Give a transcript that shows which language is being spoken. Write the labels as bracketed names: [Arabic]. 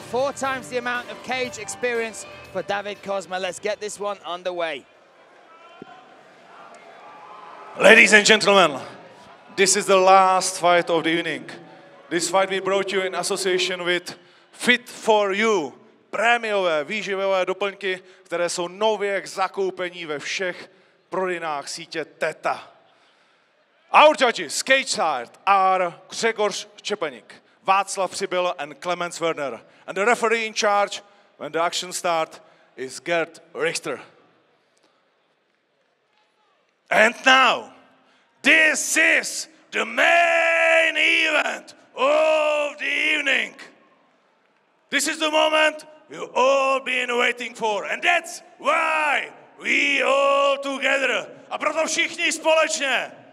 [English] 4 times the amount of cage experience for David Kozma. Let's get this one underway. Ladies and gentlemen, this is the last fight of the evening. This fight we brought you in association with Fit for You. [Czech] Prémiové výživové doplňky, které jsou nově k zakoupení ve všech prodejnách sítě Teta. [English] Our judges, cage side, are Gregor Čepeník, Václav Přibyl and Clemens Werner. And the referee in charge when the action start is Gerd Richter. And now, this is the main event of the evening. This is the moment you've all been waiting for. And that's why we all together. [Czech] A proto všichni společně.